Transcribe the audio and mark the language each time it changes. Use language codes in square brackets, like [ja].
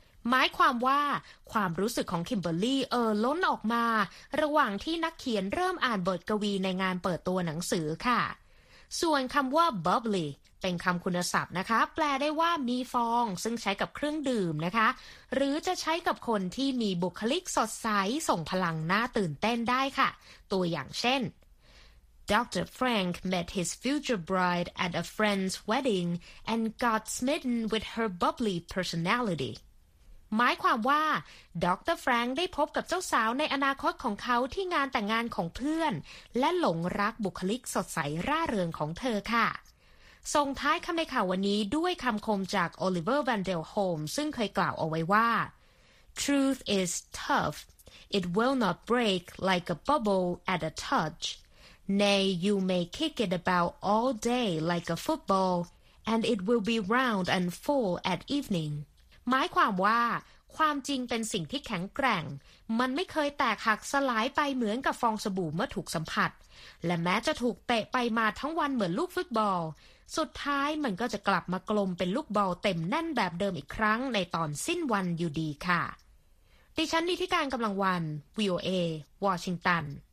[th] หมายความว่าความรู้สึกของคิมเบอร์ลี่ล้นออกมาระหว่างที่นักเขียนเริ่มอ่านบทกวีในงานเปิดตัวหนังสือค่ะส่วนคำว่า bubbly เป็นคำคุณศัพท์นะคะแปลได้ว่ามีฟองซึ่งใช้กับเครื่องดื่มนะคะหรือจะใช้กับคนที่มีบุคลิกสดใสส่งพลังน่าตื่นเต้นได้ค่ะตัวอย่างเช่นDr. [en] Frank met his future bride at a friend's wedding and got smitten with her bubbly personality. [th] หมายความว่าดร. Frank ได้พบกับเจ้าสาวในอนาคตของเขาที่งานแต่งงานของเพื่อนและหลงรักบุคลิกสดใสร่าเริงของเธอค่ะส่งท้ายคำในข่าววันนี้ด้วยคำคมจาก Oliver Wendell Holmes ซึ่งเคยกล่าวเอาไว้ว่า [en] Truth is tough. It will not break like a bubble at a touch. Nay, you may kick it about all day like a football, and it will be round and full at evening. [th] หมายความว่าความจริงเป็นสิ่งที่แข็งแกร่งมันไม่เคยแตกหักสลายไปเหมือนกับฟองสบู่เมื่อถูกสัมผัสและแม้จะถูกเตะไปมาทั้งวันเหมือนลูกฟุตบอลสุดท้ายมันก็จะกลับมากลมเป็นลูกบอลเต็มแน่นแบบเดิมอีกครั้งในตอนสิ้นวันอยู่ดีค่ะดิฉันนิติการกำลังวัน VOA วอชิงตัน